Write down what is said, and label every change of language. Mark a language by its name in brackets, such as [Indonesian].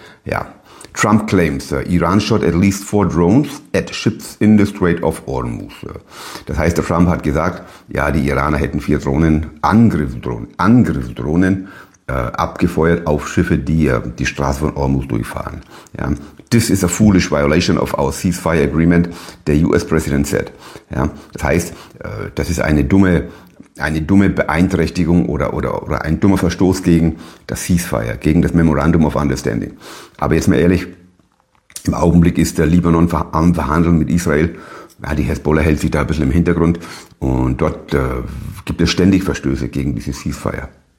[English] Ja, Trump claims, Iran shot at least 4 drones at ships in the Strait of Hormuz. [German] Das heißt, der Trump hat gesagt, ja, die Iraner hätten 4 Drohnen, Angriffsdrohnen, abgefeuert auf Schiffe, die Straße von Hormuz durchfahren. [English] Ja, this is a foolish violation of our ceasefire agreement, the US President said. [German] Ja, das heißt, das ist eine dumme Beeinträchtigung oder ein dummer Verstoß gegen das Ceasefire, gegen das Memorandum of Understanding. Aber jetzt mal ehrlich, im Augenblick ist der Libanon am Verhandeln mit Israel. Ja, die Hezbollah hält sich da ein bisschen im Hintergrund. Und dort gibt es ständig Verstöße gegen dieses Ceasefire.